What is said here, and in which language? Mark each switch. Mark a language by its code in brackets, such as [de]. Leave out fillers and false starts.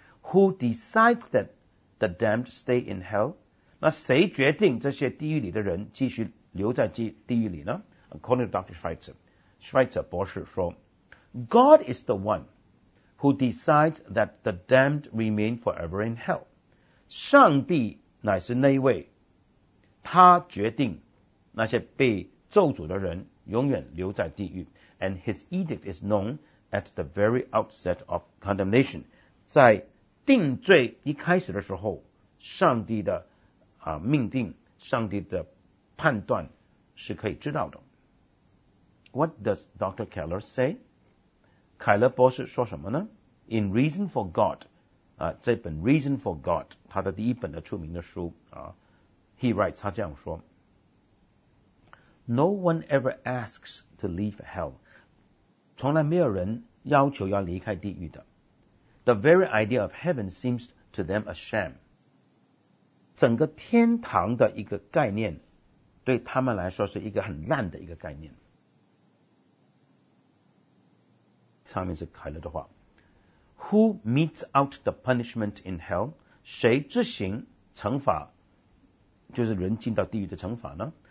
[en] Who decides that the damned stay in hell? [zh] 那谁决定这些地狱里的人继续留在地狱里呢？ [en] According to Dr. Schweitzer, Schweitzer [zh] 博士说， [en] God is the one who decides that the damned remain forever in hell. [zh] 上帝乃是那一位，他决定那些被咒诅的人永远留在地狱。 [en] And his edict is known at the very outset of condemnation. [zh] 在定罪一开始的时候，上帝的命定，上帝的判断是可以知道的。 [en] What does Dr. Keller say? [zh] 凯勒博士说什么呢？ [en] In Reason for God, 这本 Reason for God, [zh] 他的第一本的出名的书 [en] he writes, [zh] 他这样说， [en] No one ever asks to leave hell. [zh] 从来没有人要求要离开地狱的。 [en] The very idea of heaven seems to them a sham. [zh] 整个天堂的一个概念对他们来说是一个很烂的一个概念。上面是凯勒的话。 [en] Who meets out the punishment in hell? [zh] 谁执行惩罚，就是人进到地狱的惩罚呢？